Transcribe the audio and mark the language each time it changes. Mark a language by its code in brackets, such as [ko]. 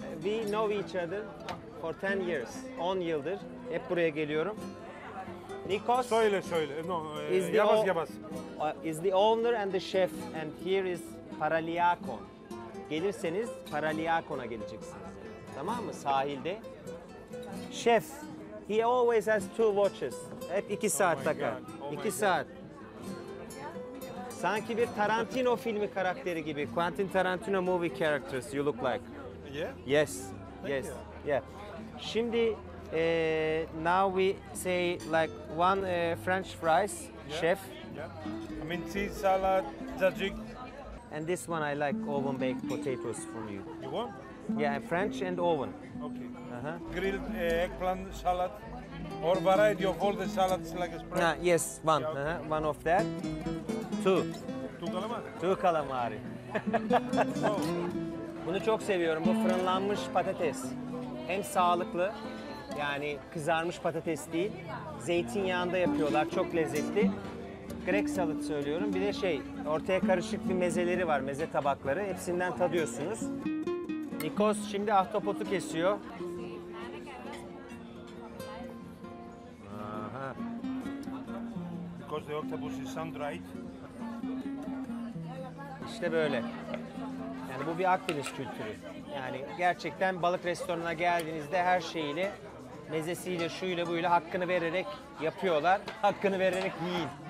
[en] We know each other for 10 years. [tr] 10 yıldır. Hep buraya geliyorum. Nikos. Söyle, söyle. No, yavaş. [en] Is the owner and the chef. And here is Paraliakon. [tr] Gelirseniz Paraliakon'a geleceksiniz. Tamam mı? Sahilde. Chef. [en] He always has two watches. [tr] Hep iki saat takar. İki saat. Sanki bir Tarantino filmi karakteri gibi. [en] Quentin Tarantino movie characters you look like. Yeah? Yes. Thank yes. You. Yeah. Şimdi now we say like one French fries, yeah. Chef. Yeah. I mean tea, salad, tzatziki. And this one I like oven baked potatoes from you. You want? Yeah, French and oven. Okay. Uh-huh. Grilled eggplant salad. Or variety of all the salads like spread. Nah, yes, one. Yeah, okay. One of that. Two. Two calamari. Two calamari. [tr] Bunu çok seviyorum. Bu fırınlanmış patates. Hem sağlıklı, yani kızarmış patates değil. Zeytinyağında yapıyorlar. Çok lezzetli. [en] Greek salad [tr] söylüyorum. Bir de şey, ortaya karışık bir mezeleri var. Meze tabakları. Hepsinden tadıyorsunuz. Nikos şimdi ahtapotu kesiyor. [en] Because the octopus is sun-dried. [tr] İşte böyle. Yani bu bir Akdeniz kültürü. Yani gerçekten balık restoranına geldiğinizde her şeyiyle, mezesiyle, şuyla, buyla hakkını vererek yapıyorlar. Hakkını vererek yiyin.